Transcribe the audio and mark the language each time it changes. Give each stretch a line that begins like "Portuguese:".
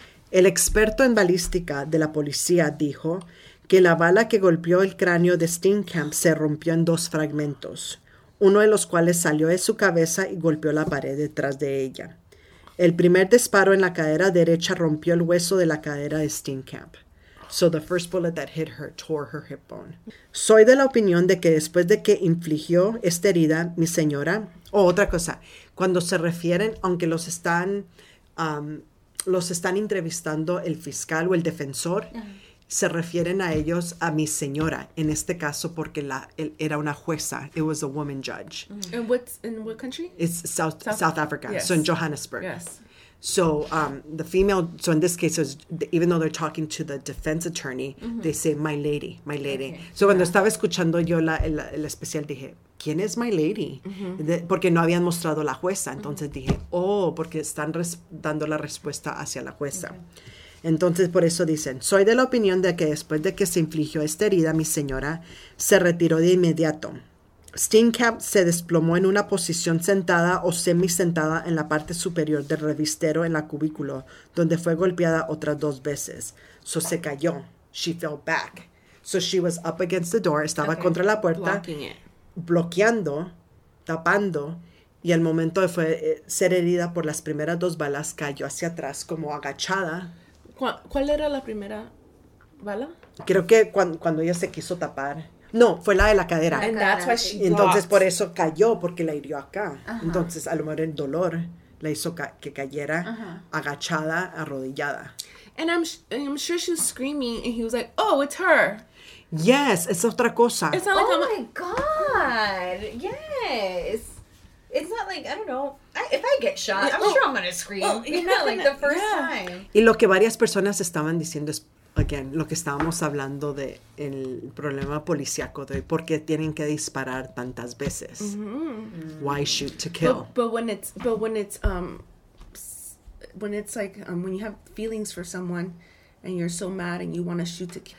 Spanish: El experto en balística de la policía dijo que la bala que golpeó el cráneo de Steenkamp se rompió en dos fragmentos, uno de los cuales salió de su cabeza y golpeó la pared detrás de ella. El primer disparo en la cadera derecha rompió el hueso de la cadera de Steenkamp.
English: So the first bullet that hit her tore her hip bone.
Spanish: Soy de la opinión de que después de que infligió esta herida, mi señora... otra cosa. Cuando se refieren, aunque los están entrevistando el fiscal o el defensor, se refieren a ellos a mi señora. En este caso, porque era una jueza.
English: It was a woman judge. In what country? It's South Africa. Yes. So in Johannesburg. Yes. So the female, so in this case, even though they're talking to the defense attorney, they say, my lady.
Spanish: Okay. So cuando estaba escuchando yo el especial, dije, ¿quién es my lady? Porque no habían mostrado la jueza. Entonces dije, porque están dando la respuesta hacia la jueza. Okay. Entonces por eso dicen, soy de la opinión de que después de que se infligió esta herida, mi señora se retiró de inmediato. Steenkamp se desplomó en una posición sentada o semi-sentada en la parte superior del revistero en la cubículo, donde fue golpeada otras dos veces.
English: So
Spanish: se cayó.
English: She fell back. So she was up against the door.
Spanish: Estaba contra la puerta. Bloqueando, tapando. Y al momento de ser herida por las primeras dos balas, cayó hacia atrás como agachada. ¿Cuál era la primera bala? Creo que cuando ella se quiso tapar... No, fue la de la cadera.
English: And that's why she
Spanish: entonces,
English: blocked.
Spanish: Por eso cayó, porque la hirió acá. Uh-huh. Entonces, a lo mejor el dolor la hizo que cayera agachada, arrodillada.
English: And I'm sure she was screaming, and he was like, oh, it's her.
Spanish: Yes, es otra cosa.
English: It's not like, oh, my God. Yes. It's not like, I don't know, if I get shot, I'm sure I'm going to scream. Time.
Spanish: Y lo que varias personas estaban diciendo es, again, lo que estábamos hablando de el problema policíaco de por qué tienen que disparar tantas veces.
English: Why shoot to kill? But when you have feelings for someone and you're so mad and you want to shoot to kill.